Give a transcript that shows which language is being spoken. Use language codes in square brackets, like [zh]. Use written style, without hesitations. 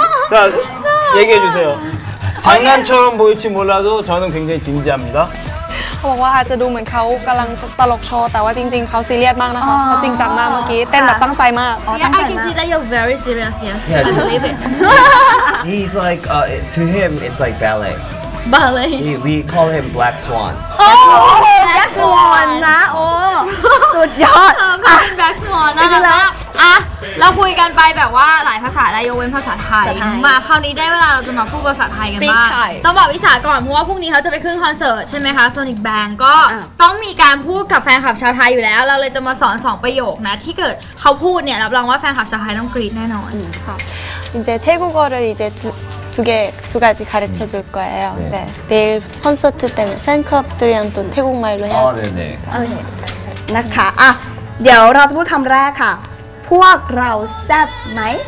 [ko] ท่าน얘기해주세요장난처럼보일지몰라도저는굉장히진지합니다 [th] เขาบอกว่าอาจจะดูเหมือนเขากำลังตลกโชว์แต่ว่าจริงๆเขาซีเรียสมากนะคะเขาจริงจังมากเมื่อกี้เต้นแบบตั้งใจมาก อ๋อตั้งใจมาก [en] I can see that you're very serious yes I believe it He's like to him it's like ballet ballet we call him Black Swan [th] Black Swan นะโอ้สุดยอด เป็น Black Swan นะแล้วอะเราคุยกันไปแบบว่าหลายภาษาได้ยกเว้นภาษาไทยมาคราวนี้ได้เวลาเราจะมาพูดภาษาไทยกันบ้างต้องบอกวิสาก่อนเพราะว่าพรุ่งนี้เขาจะไปขึ้นคอนเสิร์ตใช่ไหมคะ Sonic Bang ก็ต้องมีการพูดกับแฟนคลับชาวไทยอยู่แล้วเราเลยจะมาสอน2ประโยคนะที่เกิดเขาพูดเนี่ยรับรองว่าแฟนคลับชาวไทยต้องกรี๊ดแน่นอน [ko] ค่ะ이제 태국어를 이제두 가지 가르쳐줄 거예요 네. 네. 내일 콘서트 때문에 팬클럽들이랑 또 태국말로 해야 돼요 아, 네, 네. 아, 네. 아, [th] เดี๋ยว เราจะพูดคำแรกค่ะ พวกเราแซ่บไหม